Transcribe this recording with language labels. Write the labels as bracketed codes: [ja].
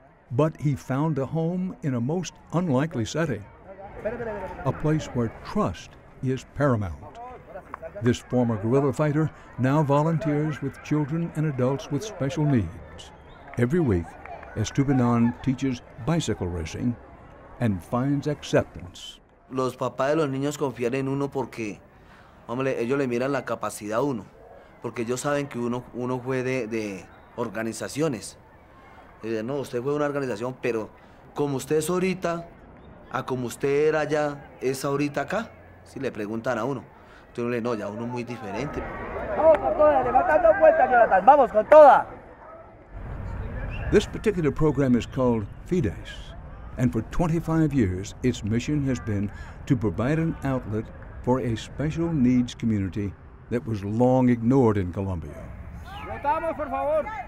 [en] But he found a home in a most unlikely setting, a place where trust is paramount. This former guerrilla fighter now volunteers with children and adults with special needs. Every week, Estupinan teaches bicycle racing and finds acceptance. [es] Los papás de los niños confían en uno porque, hombre, ellos le miran la capacidad a uno, porque ellos saben que uno fue de organizaciones. No, usted fue una organización, pero como usted es ahorita, a como usted era ya, es ahorita acá, si le preguntan a uno. Entonces le dice, no, ya uno es muy diferente. Vamos con toda, levantando puertas, Jonathan, vamos con toda. [en] This particular program is called FIDES, and for 25 years, its mission has been to provide an outlet for a special needs community that was long ignored in Colombia. [es] Votamos, por favor.